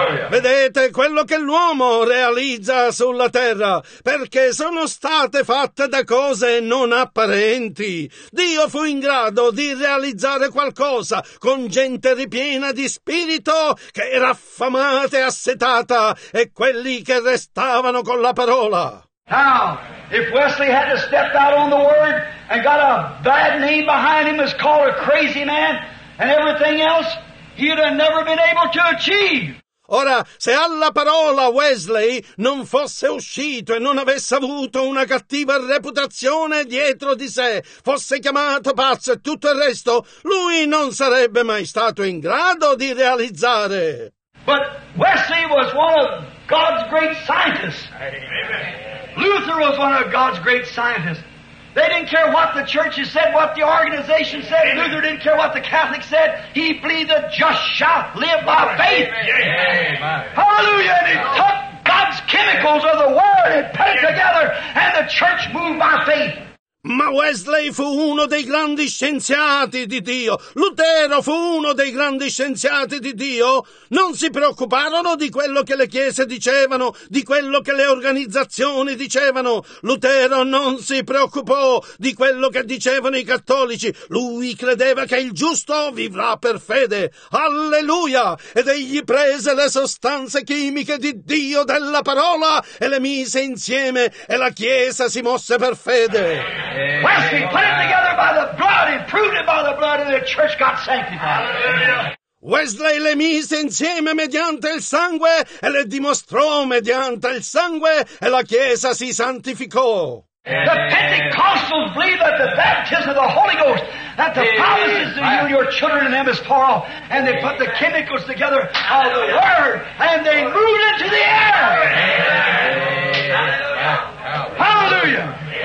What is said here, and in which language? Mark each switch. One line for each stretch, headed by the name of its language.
Italian: Vedete quello che l'uomo realizza sulla terra, perché sono state fatte da cose non apparenti. Dio fu in grado di realizzare qualcosa con gente ripiena di spirito, che era affamata e assetata, e quelli che restavano con la parola.
English: Now, if Wesley had to step out on the word and got a bad name behind him, was called a crazy man and everything else, he'd have never been able to achieve.
Italian: Ora, se alla parola Wesley non fosse uscito e non avesse avuto una cattiva reputazione dietro di sé, fosse chiamato pazzo e tutto il resto, lui non sarebbe mai stato in grado di realizzare.
English: But Wesley was one of God's great scientists. Luther was one of God's great scientists. They didn't care what the churches said, what the organization said. Amen. Luther didn't care what the Catholics said. He believed the just shall live by faith. Amen. Hallelujah. And he took God's chemicals of the word and put it together, and the church moved by faith.
Italian: Ma Wesley fu uno dei grandi scienziati di Dio. Lutero fu uno dei grandi scienziati di Dio. Non si preoccuparono di quello che le chiese dicevano, di quello che le organizzazioni dicevano. Lutero non si preoccupò di quello che dicevano i cattolici. Lui credeva che il giusto vivrà per fede. Alleluia! Ed egli prese le sostanze chimiche di Dio della parola e le mise insieme e la chiesa si mosse per fede.
English: Wesley put it together by the blood, he proved it by the blood, and the church got sanctified.
Italian: Wesley le mise insieme mediante il sangue e le dimostrò mediante il sangue e la chiesa si santificò.
English: The Pentecostals believe that the baptism of the Holy Ghost, that the promises of you and your children and them is far off, and they put the chemicals together of the word and they moved into the air. Hallelujah.